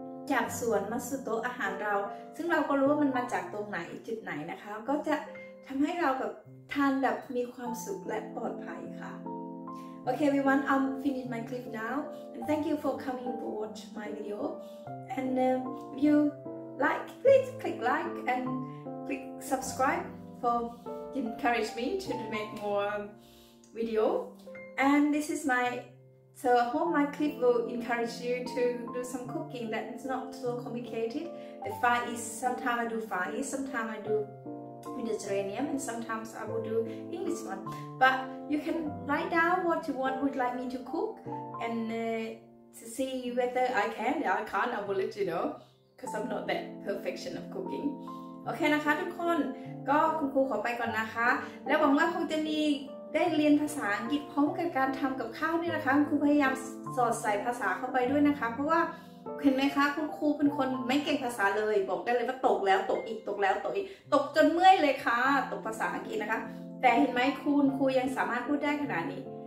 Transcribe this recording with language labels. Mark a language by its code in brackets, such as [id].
[th] จากสวนมาสู่โต๊ะอาหารเราซึ่งเราก็รู้ว่ามันมาจากตรงไหนจุดไหนนะคะก็จะทำให้เราแบบทานแบบมีความสุขและปลอดภัยค่ะโอเค [en] everyone I'm finished my clip now and thank you for coming to watch my video and youLike, please click like and click subscribe for encourage me to make more video. And this is so I hope my clip will encourage you to do some cooking that is not so complicated. The Far East, sometimes I do Far East, sometimes I do Mediterranean, and sometimes I will do English one. But you can write down what you want, would like me to cook and to see whether I can, yeah, I can't, I will let you know. Because I'm not that perfection of cooking. [th] Okay, นะคะทุกคนก็คุณครูขอไปก่อนนะคะแล้วหวังว่าคงจะมีได้เรียนภาษาอังกฤษพร้อมกับการทำกับข้าวนี่นะคะคุณครูพยายามสอดใส่ภาษาเข้าไปด้วยนะคะเพราะว่าเห็นไหมคะคุณครูเป็นคนไม่เก่งภาษาเลยบอกได้เลยว่าตกแล้วตกอีกตกแล้วตกอีกตกจนเมื่อยเลยค่ะตกภาษาอังกฤษนะคะแต่เห็นไหมคุณครูยังสามารถพูดได้ขนาดนี้